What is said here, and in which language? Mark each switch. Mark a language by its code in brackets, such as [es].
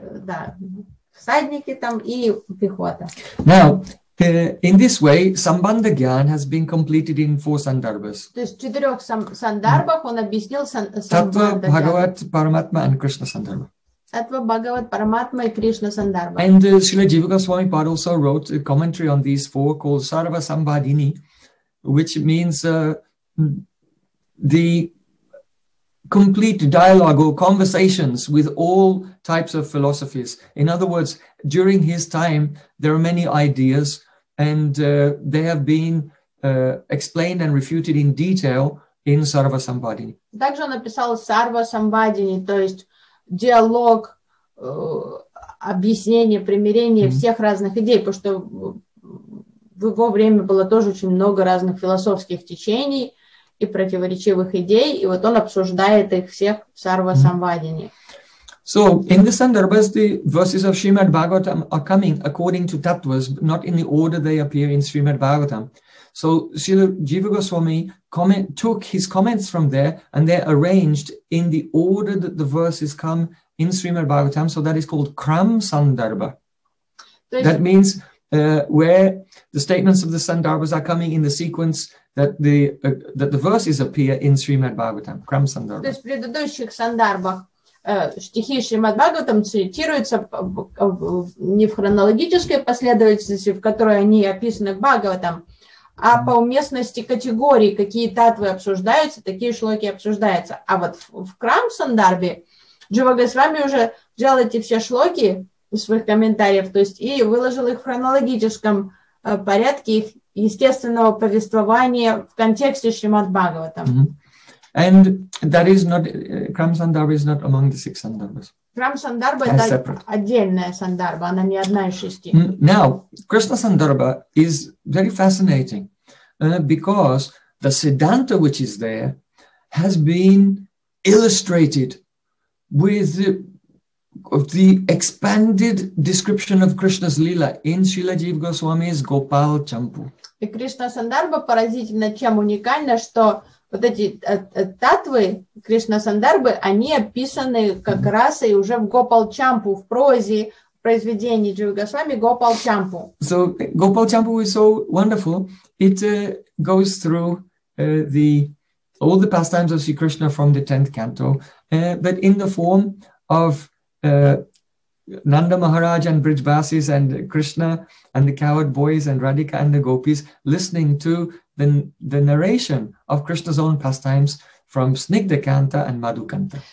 [ru] Да, всадники там и пехота. [en] Now, in this way, Sambandha Gyan has been completed in four sandarbhas. [ru] То есть в четырех сандарбах он объяснил Сандарбху. Таттва, Бхагават, Параматма, [en] and [ru] Кришна Сандарбха. Саттва, Бхагават, Параматма и Кришна Сандарбха. [en] And Srila Jiva Goswami Pad also wrote a commentary on these four called Sarva Sambhadini, which means the complete dialogue or conversations with all types of philosophies. In other words, during his time, there are many ideas and they have been explained and refuted in detail in Sarva Sambhadini. [ru] Также он написал Sarva Sambhadini, то есть диалог, объяснение, примирение всех разных идей, потому что в его время было тоже очень много разных философских течений и противоречивых идей, и вот он обсуждает их всех в Сарва-самвадине. [en] So, in the Sandarbhas, the verses of Srimad Bhagavatam are coming according to tattvas, but not in the order they appear in Srimad Bhagavatam. So, Srila Jiva Goswami took his comments from there and they're arranged in the order that the verses come in Srimad Bhagavatam. So, that is called Kram Sandarbha. That means where the statements of the Sandarbhas are coming in the sequence that the verses appear in Srimad Bhagavatam. Kram Sandarbha. [ru] То есть, в предыдущих Сандарбах стихи Шримад Бхагаватам цитируются не в хронологической последовательности, в которой они описаны в Бхагаватам, а по уместности категории, какие татвы обсуждаются, такие шлоки обсуждаются. А вот в Крам Сандарбе Джива Госвами уже взял эти все шлоки из своих комментариев, то есть и выложил их в хронологическом порядке их естественного повествования в контексте Шримад Бхагаватам. [en] And that is not, Крам Сандарбе is not among the six Сандарбас. [ru] Прям сандарба это отдельная сандарба, она не одна из шести. [en] Now, Krishna sandarbha is very fascinating because the Siddhanta which is there has been illustrated with the expanded description of Krishna's lila in Srila Jiva Goswami's Gopal Champu. [ru] И Кришна Сандарба поразительно чем уникально, что вот эти татвы Кришна Сандарбы, они описаны как раз и уже в Гопал Чампу, в прозе, в произведении Джива Госвами Гопал Чампу. [en] So Gopal Champu is so wonderful. It goes through the all the pastimes of Sri Krishna from the 10th canto, but in the form of Nanda Maharaj and Brijbasis and Krishna and the coward boys and Radhika and the gopis listening to the narration of Krishna's own pastimes from Snigdha Kanta and Madhu Kanta.